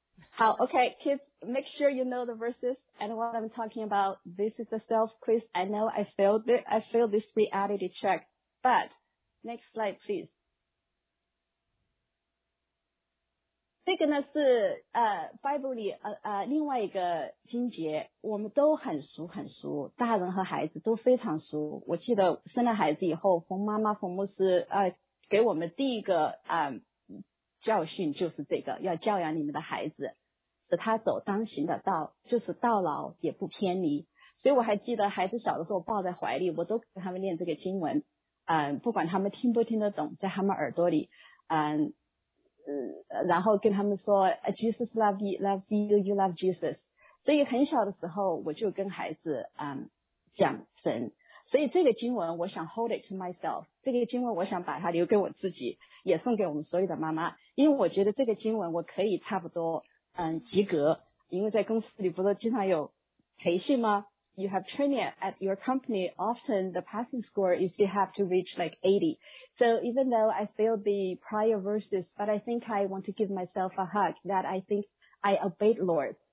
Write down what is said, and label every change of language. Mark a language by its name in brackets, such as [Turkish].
[English] 好 ，OK, kids, make sure you know the verses and what I'm talking about. This is a self quiz. I know I failed this reality check, but next slide, please. [Chinese] 这个呢是Bible 里另外一个经节，我们都很熟很熟，大人和孩子都非常熟。我记得生了孩子以后，冯妈妈冯牧师给我们第一个教训就是这个，要教养你们的孩子，使他走当行的道，就是到老也不偏离。所以我还记得孩子小的时候抱在怀里，我都给他们念这个经文，不管他们听不听得懂，在他们耳朵里，然后跟他们说 [English] Jesus love you, you love Jesus。 [Chinese] 所以很小的时候我就跟孩子讲神，所以这个经文我想 [English] hold it to myself, [Chinese] 这个经文我想把它留给我自己，也送给我们所有的妈妈，因为我觉得这个经文我可以差不多及格，因为在公司里不是经常有培训吗？ [English] You have training at your company, often the passing score is you have to reach like 80. So even though I failed the prior verses, but I think I want to give myself a hug that I think I obeyed Lord.